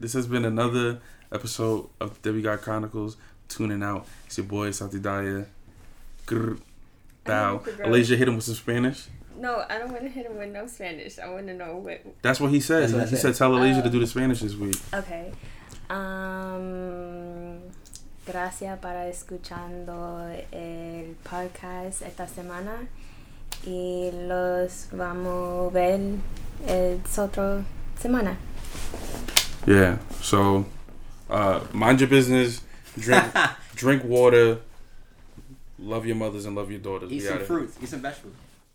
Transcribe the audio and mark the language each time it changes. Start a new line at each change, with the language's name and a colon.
English: This has been another episode of Debbie Got Chronicles. Tuning out. It's your boy, Santi Daya. Grr. Bow. Alasia, hit him with some Spanish. No, I don't want to hit him with no Spanish. I want to know what... That's what he said. What he said, tell Alasia to do the Spanish this week. Okay.
Spanish: Gracias para escuchando el podcast esta semana. Y los vamos a ver el otro semana.
English: Yeah, so mind your business. Drink water. Love your mothers and love your daughters. Eat some fruits. Eat some vegetables.